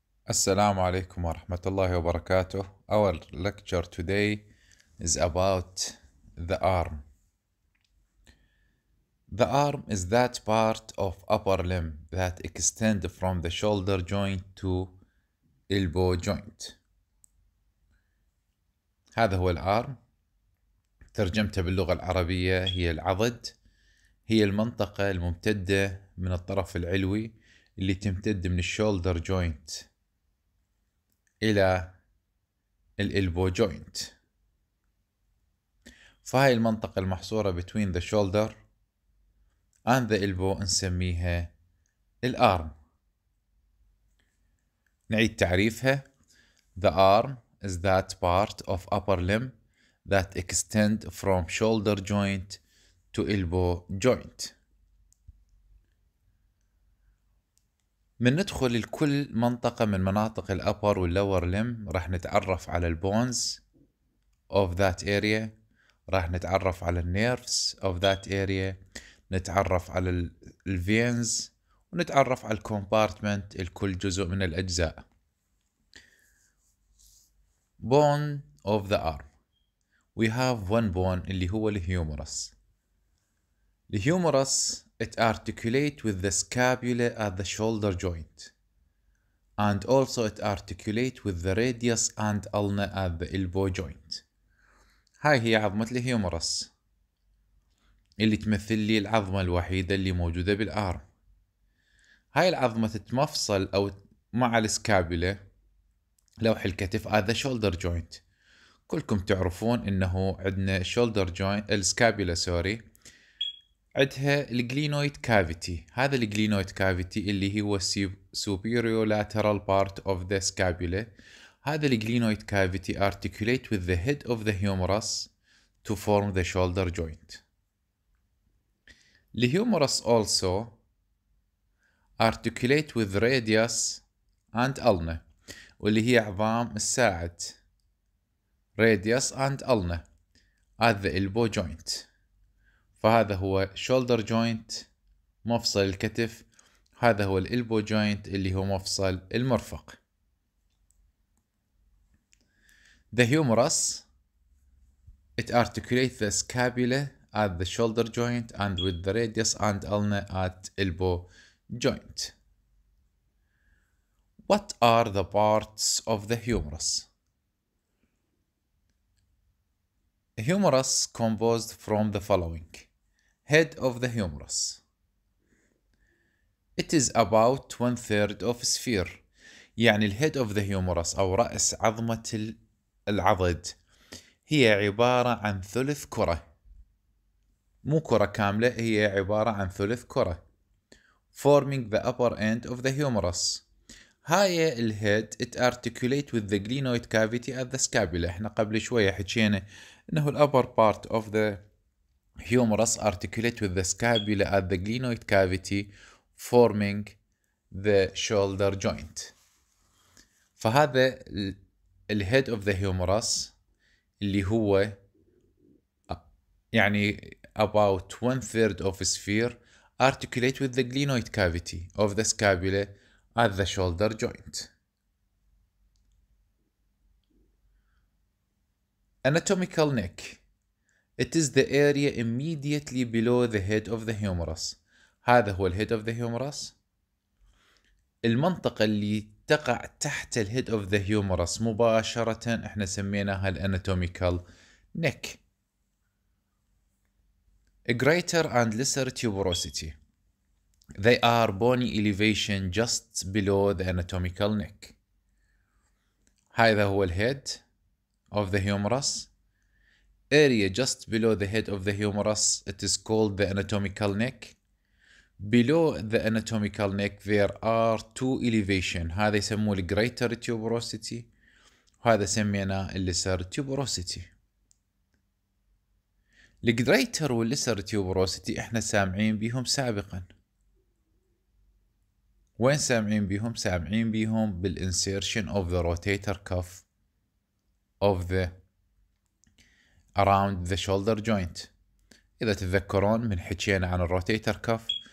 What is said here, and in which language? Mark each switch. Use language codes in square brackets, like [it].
[ar] السلام عليكم ورحمة الله وبركاته. [en] Our lecture today is about the arm. The arm is that part of upper limb that extend from the shoulder joint to elbow joint. [ar] هذا هو الارم. ترجمته باللغة العربية هي العضد، هي المنطقة الممتدة من الطرف العلوي اللي تمتد من الشولدر جوينت إلى الإلبو جوينت. فهي المنطقة المحصورة [en] between the shoulder and the elbow [ar] نسميها الأرم. نعيد تعريفها: [en] The arm is that part of upper limb that extend from shoulder joint to elbow joint. [ar] من ندخل لكل منطقة من مناطق الأبر واللور لم راح نتعرف على البونز [en] of that area، [ar] راح نتعرف على النيرفز of that area، نتعرف على الفينز، ونتعرف على الكومبارتمنت لكل جزء من الأجزاء. [en] Bone of the arm. We have one bone [ar] اللي هو [en] الهيومرس. الهيومرس it articulate with the scapula at the shoulder joint and also it articulate with the radius and ulna at the elbow joint. [ar] هاي هي عظمة الهيومرس اللي تمثل لي العظمة الوحيدة اللي موجودة بالآرم. هاي العظمة تتمفصل أو مع الاسكابولا لوح الكتف [en] at the shoulder joint. [ar] كلكم تعرفون انه عندنا [en] shoulder joint [ar] الاسكابولا سوري عدها الجلينويد كافيتي. هذا الجلينويد كافيتي اللي هو [en] superior lateral part of the scapula. [ar] هذا الجلينويد كافيتي [en] articulate with the head of the humerus to form the shoulder joint. الهيومرس also articulate with radius and ulna [ar] واللي هي عظام الساعد [en] radius and ulna at the elbow joint. [ar] فهذا هو [en] shoulder joint [ar] مفصل الكتف، هذا هو [en] elbow joint [ar] اللي هو مفصل المرفق. [en] The humerus it articulates the scapula at the shoulder joint and with the radius and ulna at elbow joint. What are the parts of the humerus? Humerus composed from the following. Head of the humerus. It is about one third of sphere. [ar] يعني ال [en] head of the humerus [ar] أو رأس عظمة العضد هي عبارة عن ثلث كرة. مو كرة كاملة، هي عبارة عن ثلث كرة. [en] Forming the upper end of the humerus. [ar] هاي [en] الhead it articulate with the glenoid cavity at the scapula. [ar] إحنا قبل شوية حكينا إنه [en] الupper part of the humerus articulate with the scapula at the glenoid cavity forming the shoulder joint. فهذا ال head of the humerus [ar] اللي هو يعني [en] about one third of sphere articulate with the glenoid cavity of the scapula at the shoulder joint. Anatomical neck. It is the area immediately below the head of the humerus. [ar] هذا هو [en] الhead of the humerus. [ar] المنطقة اللي تقع تحت ال [en] head of the humerus [ar] مباشرة احنا سميناها ال [en] anatomical neck. A greater and lesser tuberosity. They are bony elevation just below the anatomical neck. [ar] هذا هو [en] الhead of the humerus. Area just below the head of the humerus, it is called the anatomical neck. Below the anatomical neck, there are two elevation. [ar] هذا يسموه [en] greater tuberosity. [ar] هذا سميناه [en] lesser tuberosity. [ar] Greater و [en] lesser tuberosity [ar] احنا سامعين بهم سابقا. وين سامعين بهم؟ سامعين بهم بال [en] insertion of the rotator cuff of the around the shoulder joint. [ar] إذا تذكرون من حكينا عن الروتيتر كف